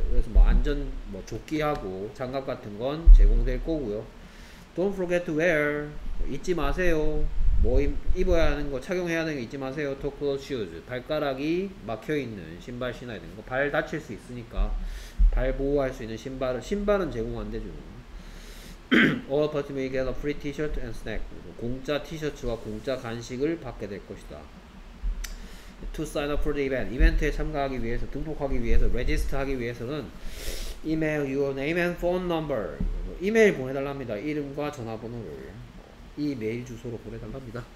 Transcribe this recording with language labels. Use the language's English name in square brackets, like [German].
[Korean] 그래서 뭐 안전 뭐 조끼하고 장갑 같은 건 제공될 거고요. [English] don't forget to wear [Korean] 잊지 마세요. 뭐 입어야 하는 거 착용해야 하는 거 잊지 마세요. [English] Toe closed shoes [Korean] 발가락이 막혀 있는 신발 신어야 되는 거. 발 다칠 수 있으니까 발 보호할 수 있는 신발은 제공 안 되죠. [English] All parties may get a free T-shirt and snack. [Korean] 공짜 티셔츠와 공짜 간식을 받게 될 것이다. [English] To sign up for the event [Korean] 이벤트에 참가하기 위해서 등록하기 위해서 [English] register [Korean] 하기 위해서는 [English] email your name and phone number [Korean] 이메일 보내달랍니다. 이름과 전화번호를 이 메일 주소로 보내달랍니다.